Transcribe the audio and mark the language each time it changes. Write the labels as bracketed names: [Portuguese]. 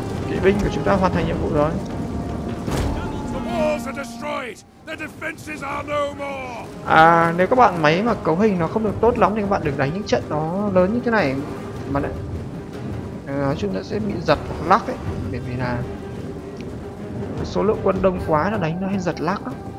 [Vietnamese] Kỵ binh của chúng ta hoàn thành nhiệm vụ rồi. [English] The walls are destroyed. The defenses are no more. [Vietnamese] À, nếu các bạn máy mà cấu hình nó không được tốt lắm thì các bạn đừng đánh những trận nó lớn như thế này. Mà lại nói chung nó sẽ bị giật hoặc lắc ấy. Bởi vì là số lượng quân đông quá nó đánh nó hay giật lắc lắm.